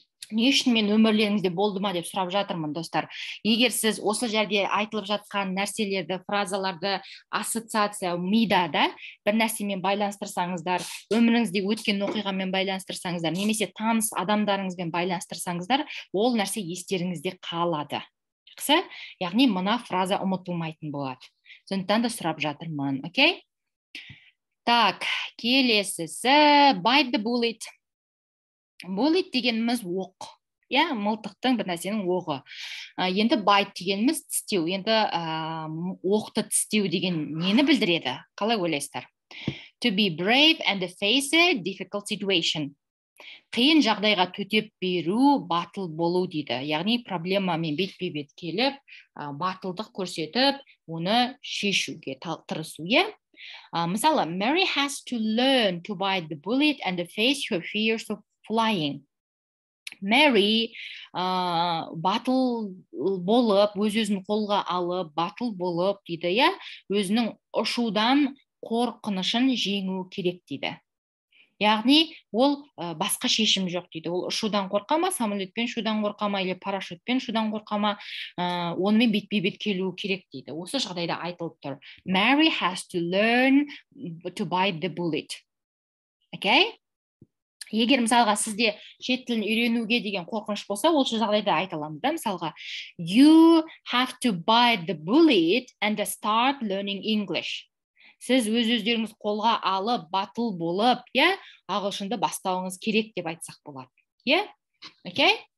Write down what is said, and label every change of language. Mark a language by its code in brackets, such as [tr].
[kk] Не үшін мен өмірлеріңізде болды ма деп сұрап жатырмын, достар. Егер сіз осы жерде айтылып жатқан нәрселерді, фразаларды ассоциация мида да бір нәрсемен байланыстырсаңыздар, өміріңізде өткен оқиғамен байланыстырсаңыздар, немесе таныс адамдарыңызбен байланыстырсаңыздар, ол нәрсе естеріңізде қалады. Қысы, яғни мына фраза ұмытылмайтын болады. Сондықтан да сұрап жатырмын, окей? Так, келесісі, bite the bullet. Bullet дегеніміз оқ. Yeah, мылтықтың бір нәрсенің оғы. Енді bite дегеніміз тістеу. Енді оқты тістеу деген нені білдіреді? Қалай ойлайсыздар? [en] To be brave and face a difficult situation. [kk] Қиын жағдайға төтеп беру, батыл болу дейді. Яғни проблемамен бетпе-бет келіп, батылдық көрсетіп, оны шешуге тырысу, иә. Мысалы, [en] Mary has to learn to bite the bullet and face her fears of flying. [kk] Mary батыл болып, өз-өзін қолға алып, батыл болып дейді, иә, өзінің ұшудан қорқынышын жеңу керек дейді. Яғни, ол басқа шешім жоқ дейді. Ол ұшудан қорқама, самолетпен ұшудан қорқама, или парашютпен ұшудан қорқама, онымен бетпе-бет келуі керек дейді. Осы жағдайда айтылып тұр. [en] Mary has to learn to bite the bullet. Окей? Okay? [kk] Егер мысалға сізде шет тілін үйренуге деген қорқыныш болса, ол жағдайда айталамыз да, мысалға, [en] you have to bite the bullet and start learning English. [kk] Сіз өз-өздеріңіз қолға алып, батыл болып, иә, ағылшынды бастауыңыз керек деп айтсақ болады. Иә? Окей?